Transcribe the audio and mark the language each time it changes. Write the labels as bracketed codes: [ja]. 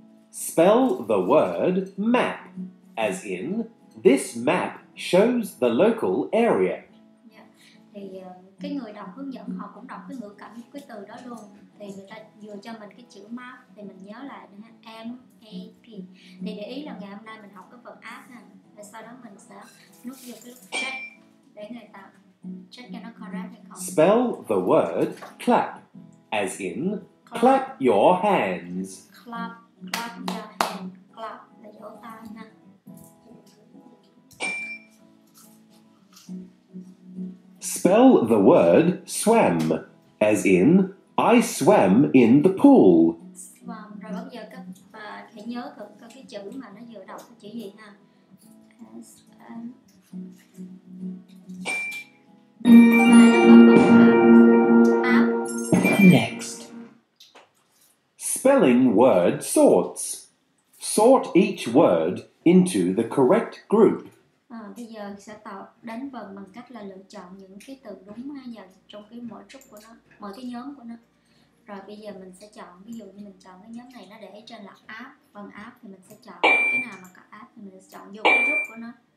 [en] Spell the word map, as in this map shows the local area. [vi] Cái người đọc hướng dẫn họ cũng đọc cái ngữ cảnh cái từ đó luôn. Thì người ta vừa cho mình cái chữ map thì mình nhớ lại nữa ha. M-A-P. Thì để ý là ngày hôm nay mình học cái phần app ha. Và sau đó mình sẽ nút vô cái check để người ta check cho nó correct hay không. [en] Spell the word clap, as in clap your hands. Clap, clap your hand. Clap [vi] là vỗ tay ha. [en] Spell the word swam, as in I swam in the pool. Swam. [vi] Rồi bây giờ các bạn hãy nhớ được cái chữ mà nó vừa đọc cái chữ gì ha. [en] S-M. Next. Spelling word sorts. Sort each word into the correct group. [vi] Bây giờ sẽ tạo đánh vần bằng cách là lựa chọn những cái từ đúng hay nhầm trong cái mỗi group của nó, mỗi cái nhóm của nó. Rồi bây giờ mình sẽ chọn, ví dụ như mình chọn cái nhóm này nó để trên là app, phần app thì mình sẽ chọn cái nào mà có app thì mình sẽ chọn vô cái group của nó.